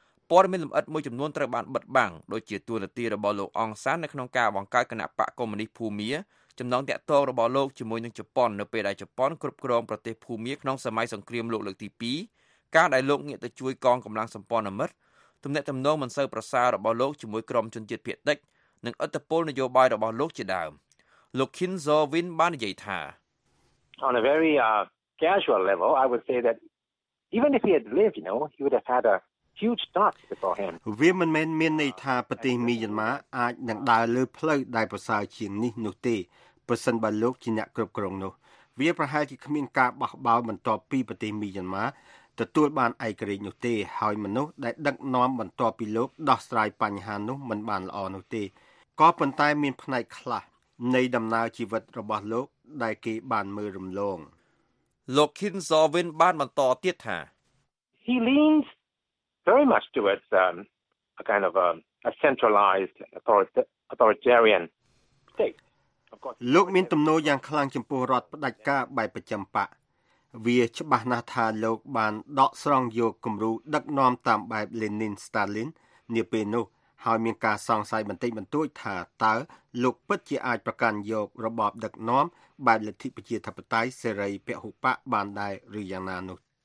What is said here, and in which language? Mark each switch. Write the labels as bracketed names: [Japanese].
[Khmer] ព័ត៌មានលម្អិតមួយចំនួនត្រូវបានបិទបាំងដោយជាទួលនទីរបស់លោកអង្សាននៅក្នុងការបង្កើតគណៈបកកុម្មុយនីសភូមាចំណងតាក់ទងរបស់លោកជាមួយនឹងជប៉ុននៅពេលដែលជប៉ុនគ្រប់គ្រងប្រទេសភូមាក្នុងសម័យសង្គ្រាមលោកលើកទី2ការដែលលោកងាកទៅជួយកងកម្លាំងសម្ព័ន្ធមិត្តទំនាក់ទំនងមិនសូវប្រសើររបស់លោកជាមួយក្រុមជនជាតិភៀតតិចនិងឥទ្ធិពលនយោបាយរបស់លោកជាដើមលោក Khin Zovin បាននិយាយថា [English] On a very casual level I would say that even if he had lived you know he would have had a [Khmer] វាមិនមែនមានន័យថាប្រទេសមីយ៉ាន់ម៉ាអាចនឹងដើរលើផ្លូវដែលប្រសើរជាងនេះនោះទេប្រសិនបើលោកជាអ្នកគ្រប់គ្រងនោះវាប្រហែលជាគ្មានការបះបោរបន្ទាប់ពីប្រទេសមីយ៉ាន់ម៉ាទទួលបានឯករាជ្យនោះទេហើយមនុស្សដែលដឹកនាំបន្ទាប់ពីលោកដោះស្រាយបញ្ហានោះមិនបានល្អនោះទេក៏ប៉ុន្តែមានផ្នែកខ្លះនៃដំណើរជីវិតរបស់លោកដែលគេបានមើលរំលង លោក Khin Zovin បានបន្តទៀតថា [English] He leansvery much towards a kind of a centralized authoritarian state [Khmer] លោកមានទំនោរយ៉ាងខ្លាំងចំពោះរដ្ឋផ្ដាច់ការបែបប្រចាំបកវាច្បាស់ណាស់ថាលោកបានដកស្រង់យកគំរូដឹកនាំតាមបែប Lenin Stalin នាពេលនោះហើយមានការសង្ស័យបន្តិចបន្តួចថាតើលោកពិតជាអាចប្រកាន់យករបបដឹកនាំបែបលទ្ធិប្រជាធិបតេយ្យសេរីពហុបកបានដែរឬយ៉ាងណានោះ